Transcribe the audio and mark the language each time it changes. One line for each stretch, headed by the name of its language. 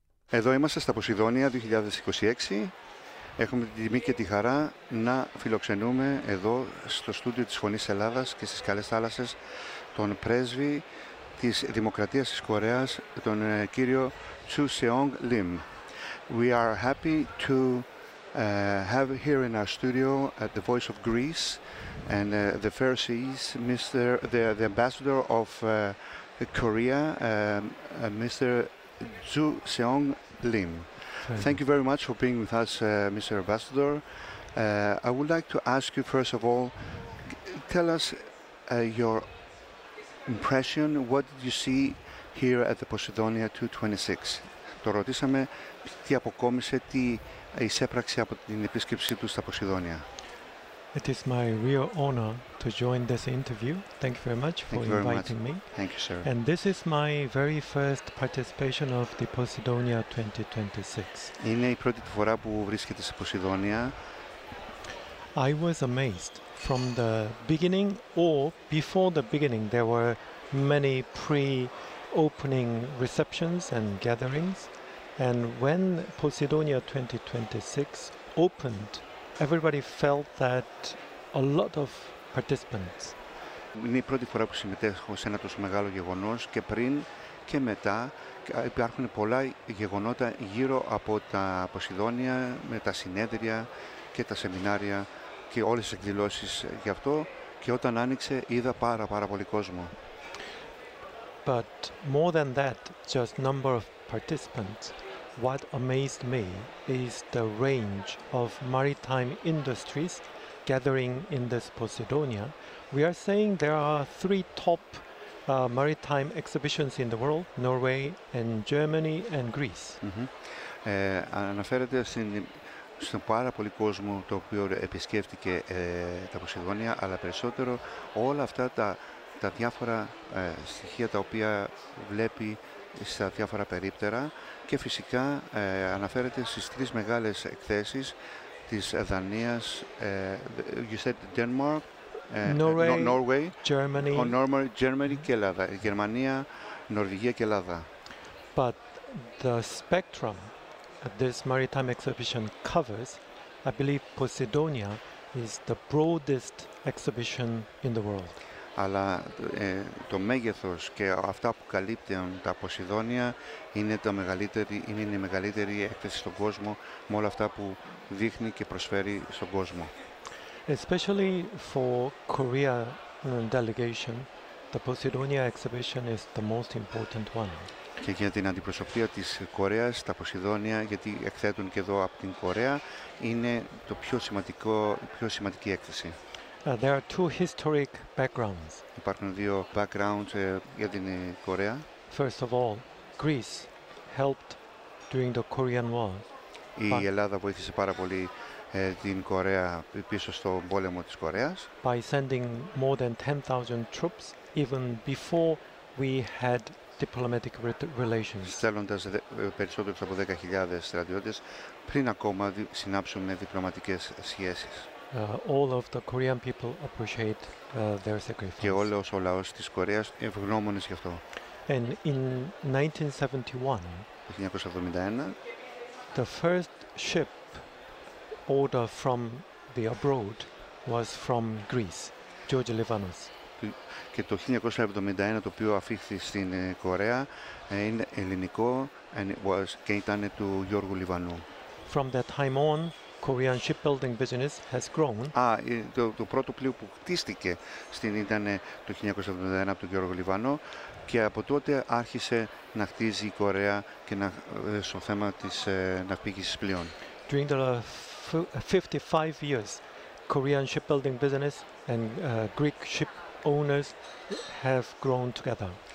Greek: Εδώ είμαστε στα Ποσειδόνια 2026. Έχουμε την τιμή και τη χαρά να φιλοξενούμε εδώ στο στούντιο της Φωνής Ελλάδας και στις Καλές Θάλασσες τον πρέσβη της Δημοκρατίας της Κορέας, τον κύριο Τσου Σεόγκ Λιμ.
English: We are happy to have here in our studio at the Voice of Greece and the Pharisees, the ambassador of Korea, Mr. Tsu Seong Lim. Thank you very much for being with us, Mr. Ambassador. I would like to ask you, first of all, tell us your impression. What did you see here at the Posidonia 226?
Greek: Το ρωτήσαμε τι αποκόμισε, τι εισέπραξε από την επίσκεψή του στα Ποσειδόνια.
English: It is my real honor to join this interview. Thank you very much for inviting me. Thank you, sir. And this is my very first participation of the Posidonia 2026.
Greek: Είναι η πρώτη φορά που βρίσκεται σε Ποσειδόνια.
English: I was amazed from the beginning, or before the beginning, there were many pre-opening receptions and gatherings. And when Posidonia 2026 opened, everybody felt that a lot of participants.
Greek: Είναι η πρώτη φορά που συμμετέχω σε ένα τόσο μεγάλο γεγονός, και πριν και μετά υπάρχουν πολλά γεγονότα γύρω από τα Ποσειδόνια, με τα συνέδρια και τα σεμινάρια και όλες τις εκδηλώσεις γι' αυτό, και όταν άνοιξε είδα πάρα πολύ κόσμο.
English: But more than that, just number of participants, what amazed me is the range of maritime industries gathering in this Posidonia. We are saying there are three top maritime exhibitions in the world, Norway and Germany and Greece.
Greek: Αναφέρεται στον πάρα πολύ κόσμο το οποίο επισκέφτηκε τα Ποσειδόνια, αλλά περισσότερο όλα αυτά τα διάφορα στοιχεία τα οποία βλέπει στα διάφορα περίπτερα, και φυσικά αναφέρεται στις τρεις μεγάλες εκθέσεις της Δανίας,
English: you said Denmark, Norway, Germany,
Greek: Germany και Ελλάδα, Γερμανία, Νορβηγία και Ελλάδα.
English: But the spectrum this maritime exhibition covers, I believe Posidonia is the broadest exhibition in the world.
Greek: αλλά το μέγεθος και αυτά που καλύπτουν τα Ποσειδόνια είναι, είναι η μεγαλύτερη έκθεση στον κόσμο με όλα αυτά που δείχνει και προσφέρει στον κόσμο.
English: Especially for Korea delegation, the Posidonia exhibition is the most important one.
Greek: Και για την αντιπροσωπεία της Κορέας, τα Ποσειδόνια, γιατί εκθέτουν και εδώ από την Κορέα, είναι το πιο σημαντικό, πιο σημαντική έκθεση.
English: There are two historic backgrounds.
Greek: Υπάρχουν δύο backgrounds για την Κορέα.
English: First of all, Greece helped during the Korean War.
Greek: Η Ελλάδα βοήθησε πάρα πολύ την Κορέα πίσω στον πόλεμο της Κορέας.
English: By sending more than 10,000 troops even before we had diplomatic relations.
Greek: Στέλνοντας περισσότερους από 10.000 στρατιώτες πριν ακόμα συνάψουμε διπλωματικές σχέσεις.
English: All of the Korean people appreciate their sacrifice.
Greek: Και όλος ο λαός της Κορέας ευγνώμονες γι' αυτό.
English: And in 1971, the first ship order from the abroad was from Greece, George Livanos.
Greek: Και το 1971 το οποίο αφήχθη στην Κορέα είναι ελληνικό και ήταν του Γιώργου Λιβανού.
English: From that time on, Korean shipbuilding business has grown.
Greek: Το πρώτο πλοίο που χτίστηκε στην ήταν το 1971 από τον Γιώργο Λιβανό και από τότε άρχισε να χτίζει η Κορέα και να στο θέμα της ναυπήγησης πλοίων.
English: During the 55 years, Korean shipbuilding business and Greek ship owners have grown together.